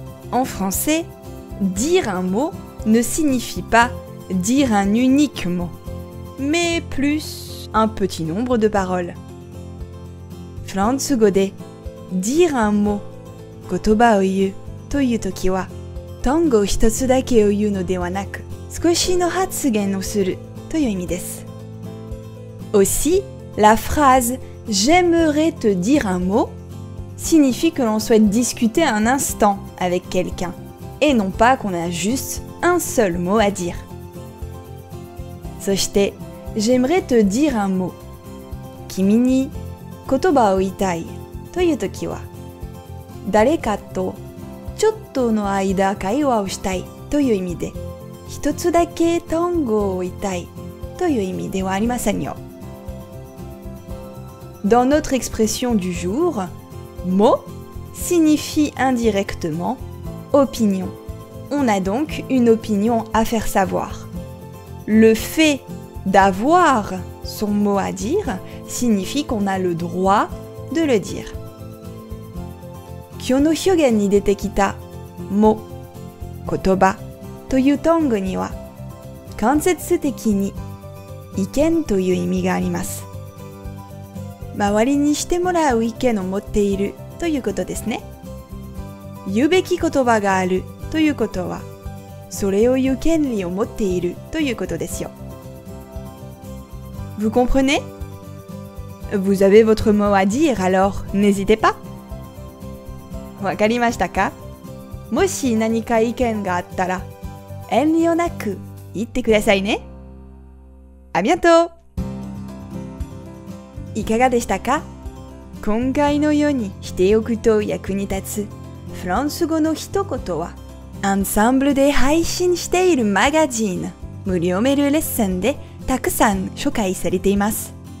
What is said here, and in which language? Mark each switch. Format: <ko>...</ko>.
<fr>En français, dire un mot ne signifie pas dire un unique mot, mais plus un petit nombre de paroles.</fr> <ja>フランス語で</ja> <fr>dire un mot,</fr> <ja>言葉を言うというときは、単語一つだけを言うのではなく、少しの発言をするという意味です。</ja> <fr>Aussi, la phrase « j'aimerais te dire un mot » signifie que l'on souhaite discuter un instant avec quelqu'un, et non pas qu'on a juste un seul mot à dire.</fr> <ja>そして、</ja> <fr>「j'aimerais te dire un mot」</fr> <ja>「君に言葉を言いたい」というときは、誰かとちょっとの間会話をしたいという意味で、一つだけ単語を言いたいという意味ではありませんよ。</ja> <fr>Dans notre expression du jour, mot signifie indirectement opinion. On a donc une opinion à faire savoir. Le fait d'avoir son mot à dire signifie qu'on a le droit de le dire.</fr> <ja>今日の表現に出てきた mot, 言葉という単語には間接的に意見という意味があります。周りにしてもらう意見を持っているということですね。言うべき言葉があるということは、それを言う権利を持っているということですよ。</ja> <fr>Vous comprenez? Vous avez votre mot à dire, alors n'hésitez pas!</fr> <ja>わかりましたか? もし何か意見があったら、遠慮なく言ってくださいね。</ja> <fr>À bientôt!</fr> <ja>いかがでしたか? 今回のように知っておくと役に立つフランス語の一言は、アンサンブルで配信しているマガジン、無料メールレッスンでたくさん紹介されています。</ja>